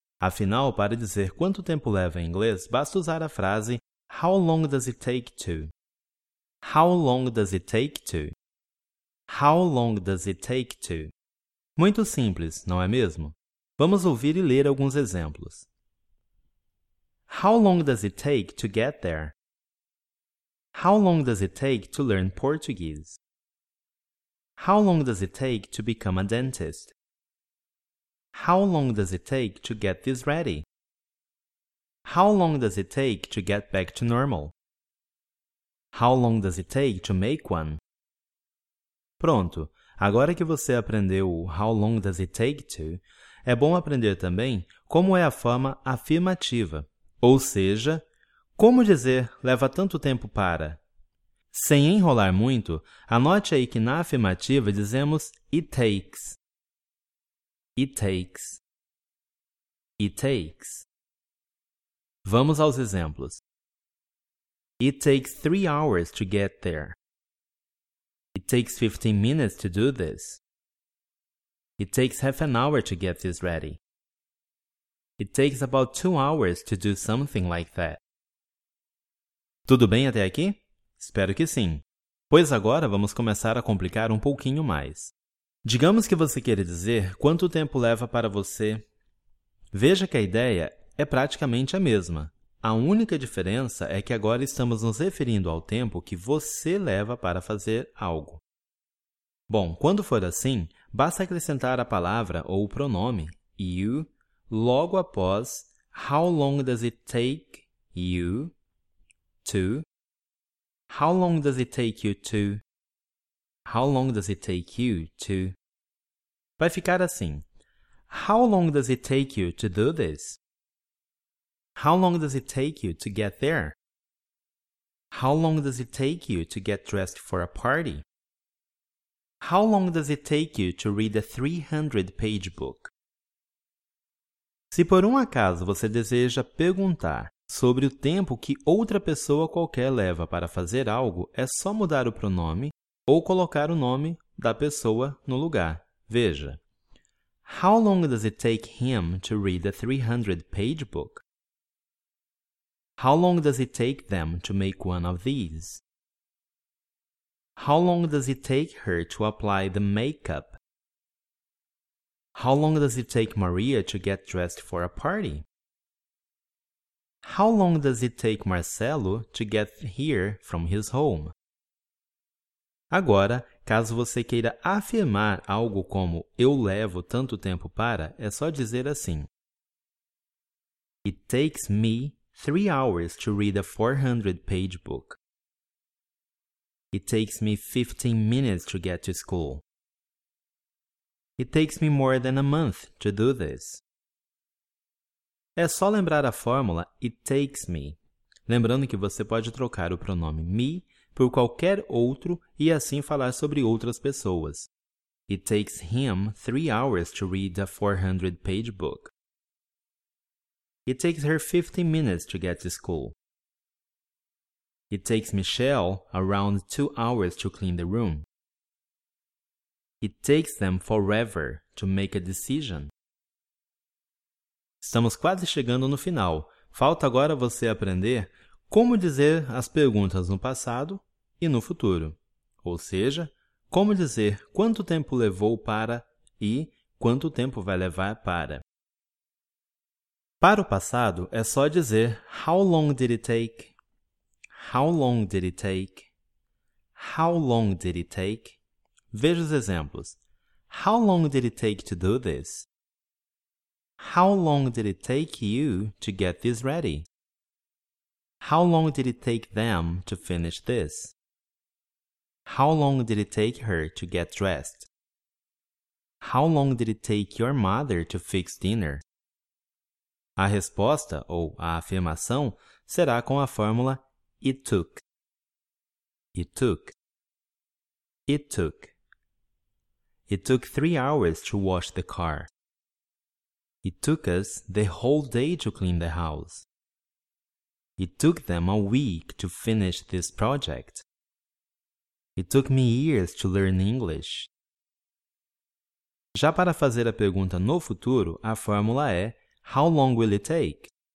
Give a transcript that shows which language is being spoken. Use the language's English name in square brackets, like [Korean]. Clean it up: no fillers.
[Portuguese] Afinal, para dizer quanto tempo leva em inglês, basta usar a frase [English] How long does it take to? How long does it take to? How long does it take to? [Portuguese] Muito simples, não é mesmo? Vamos ouvir e ler alguns exemplos. [English] How long does it take to get there? How long does it take to learn Portuguese? How long does it take to become a dentist? How long does it take to get this ready? How long does it take to get back to normal? How long does it take to make one? [Portuguese] Pronto, agora que você aprendeu o [English] how long does it take to, [Portuguese] é bom aprender também como é a forma afirmativa, ou seja, como dizer leva tanto tempo para. Sem enrolar muito, anote aí que na afirmativa dizemos [English] it takes. It takes. It takes. [Portuguese] Vamos aos exemplos. [English] It takes 3 hours to get there. It takes 15 minutes to do this. It takes half an hour to get this ready. It takes about 2 hours to do something like that. [Portuguese] Tudo bem até aqui? Espero que sim. Pois agora vamos começar a complicar um pouquinho mais. Digamos que você queira dizer quanto tempo leva para você. Veja que a ideia é praticamente a mesma. A única diferença é que agora estamos nos referindo ao tempo que você leva para fazer algo. Bom, quando for assim, basta acrescentar a palavra ou o pronome you logo após [English] How long does it take you to? How long does it take you to? How long does it take you to? [Portuguese] Vai ficar assim. [English] How long does it take you to do this? How long does it take you to get there? How long does it take you to get dressed for a party? How long does it take you to read a 300-page book? [Portuguese] Se por um acaso você deseja perguntar sobre o tempo que outra pessoa qualquer leva para fazer algo, é só mudar o pronome ou colocar o nome da pessoa no lugar. Veja. [English] How long does it take him to read a 300-page book? How long does it take them to make one of these? How long does it take her to apply the makeup? How long does it take Maria to get dressed for a party? How long does it take Marcelo to get here from his home? [Portuguese] Agora, caso você queira afirmar algo como eu levo tanto tempo para, é só dizer assim. [English] It takes me 3 hours to read a 400-page book. It takes me 15 minutes to get to school. It takes me more than a month to do this. [Portuguese] É só lembrar a fórmula [English] it takes me. [Portuguese] Lembrando que você pode trocar o pronome me por qualquer outro e assim falar sobre outras pessoas. [English] It takes him 3 hours to read a 400-page book. It takes her 15 minutes to get to school. It takes Michelle around 2 hours to clean the room. It takes them forever to make a decision. [Portuguese] Estamos quase chegando no final. Falta agora você aprender como dizer as perguntas no passado e no futuro. Ou seja, como dizer quanto tempo levou para e quanto tempo vai levar para. Para o passado, é só dizer [English] how long did it take? How long did it take? How long did it take? [Portuguese] Veja os exemplos. [English] How long did it take to do this? How long did it take you to get this ready? How long did it take them to finish this? How long did it take her to get dressed? How long did it take your mother to fix dinner? [Portuguese] A resposta, ou a afirmação, será com a fórmula [English] it took. It took. It took. It took 3 hours to wash the car. It took us the whole day to clean the house. It took them a week to finish this project. It took me years to learn English. [Portuguese] Já para fazer a pergunta no futuro, a fórmula é [English] how long will it take?